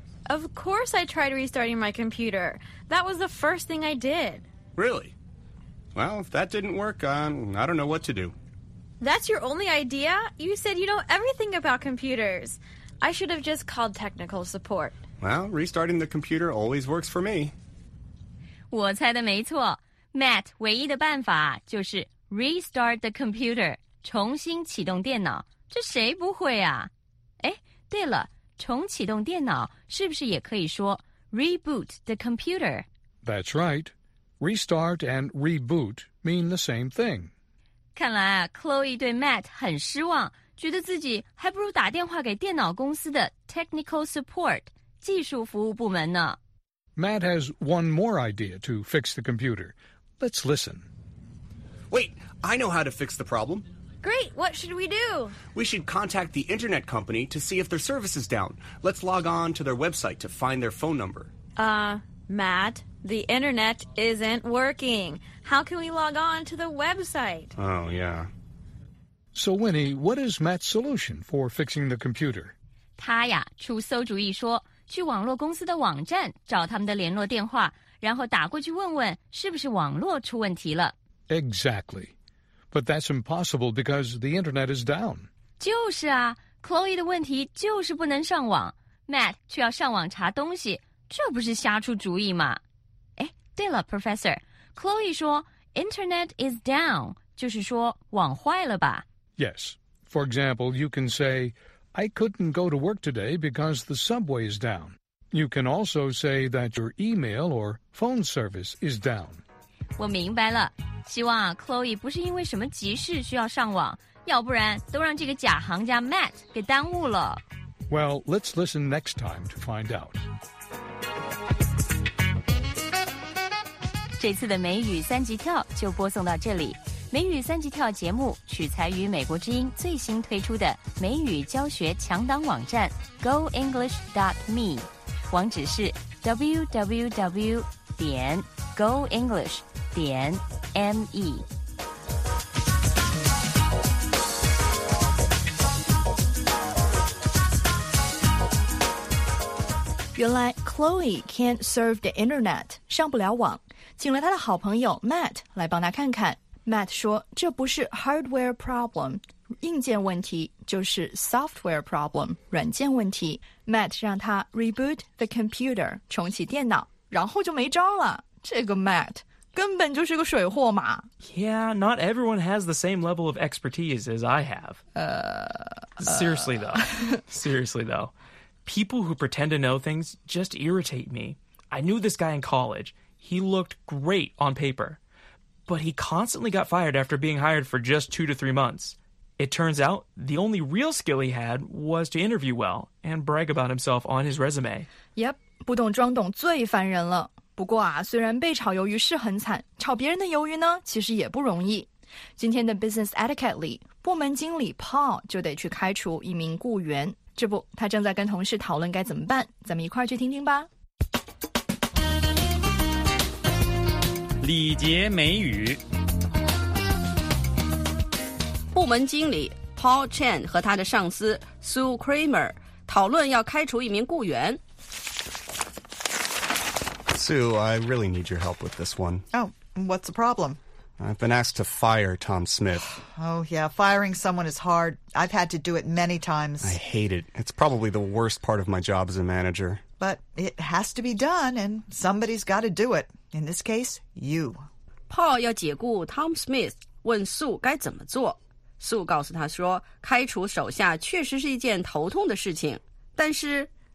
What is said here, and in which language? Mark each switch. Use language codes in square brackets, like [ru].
[en] Of course I tried restarting my computer. That was the first thing I did. Really? Well, if that didn't work, I don't know what to do. That's your only idea? You said you know everything about computers. I should have just called technical support. Well, restarting the computer always works for me. [zh] 我猜的没错。 Matt 唯一的办法就是 [en] restart the computer, [zh] 重新启动电脑。这谁不会啊？哎，对了，重启动电脑是不是也可以说 [en] reboot the computer? That's right. Restart and reboot mean the same thing. [zh] 看来啊 ,Chloe 对 Matt 很失望，觉得自己还不如打电话给电脑公司的 [en] technical support, [zh] 技术服务部门呢。 [en] Matt has one more idea to fix the computer. Let's listen. Wait, I know how to fix the problem. Great, what should we do? We should contact the internet company to see if their service is down. Let's log on to their website to find their phone number. Matt, the internet isn't working. How can we log on to the website? Oh, yeah. So, Winnie, what is Matt's solution for fixing the computer? [zh] 他呀，出馊主意说，去网络公司的网站找他们的联络电话，然后打过去问问是不是网络出问题了。 [en] Exactly. But that's impossible because the internet is down. [zh] 就是啊 ,Chloe 的问题就是不能上网。 Matt 却要上网查东西，这不是瞎出主意吗？哎，对了 ,Professor, Chloe 说 , [en] internet is down, [zh] 就是说网坏了吧。 [en] Yes. For example, you can say, I couldn't go to work today because the subway is down. You can also say that your email or phone service is down. [zh] 我明白了。希望啊 ,Chloe 不是因为什么急事需要上网,要不然都让这个假行家 Matt 给耽误了。 [en] Well, let's listen next time to find out. [zh] 这次的美语三级跳就播送到这里。美语三级跳节目取材于美国之音最新推出的美语教学强档网站 goenglish.me, 网址是 www.goenglish.me. Yulai, Chloe [en] can't surf the internet, [zh] 上不了网，请了他的好朋友 Matt 来帮他看看。 Matt 说，这不是 [en] hardware problem, [zh] 硬件问题，就是 [en] software problem, [zh] 软件问题。 Matt 让他 [en] reboot the computer, [zh] 重启电脑，然后就没招了。这个 Matt根本就是个水货嘛。 [en] Yeah, not everyone has the same level of expertise as I have. Seriously, though. People who pretend to know things just irritate me. I knew this guy in college. He looked great on paper. But he constantly got fired after being hired for just 2 to 3 months. It turns out the only real skill he had was to interview well and brag about himself on his resume. [zh] Yep, 不懂装懂最烦人了。不过啊，虽然被炒鱿鱼是很惨，炒别人的鱿鱼呢，其实也不容易。今天的 Business Etiquette 里，部门经理 Paul 就得去开除一名雇员。这不，他正在跟同事讨论该怎么办，咱们一块儿去听听吧。礼节美语。部门经理 Paul Chen 和他的上司 Sue Kramer 讨论要开除一名雇员。 [en] Sue, I really need your help with this one. Oh, what's the problem? I've been asked to fire Tom Smith. Oh, yeah. Firing someone is hard. I've had to do it many times. I hate it. It's probably the worst part of my job as a manager. But it has to be done, and somebody's got to do it. In this case, you. [zh] Paul 要解雇 Tom Smith, 问 Sue 该怎么做。 Sue 告诉他说，开除手下确实是一件头痛的事情，但是